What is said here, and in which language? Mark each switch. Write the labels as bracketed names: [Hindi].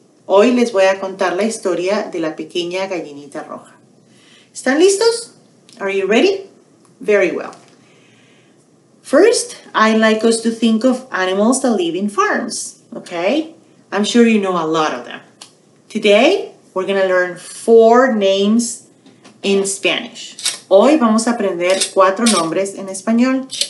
[Spanish] Hoy les voy a contar la historia de la pequeña gallinita roja. ¿Están listos? [English] Are you ready? Very well. First, I'd like us to think of animals that live in farms, okay? I'm sure you know a lot of them. Today, we're gonna learn four names in Spanish. [Spanish] Hoy vamos a aprender cuatro nombres en español.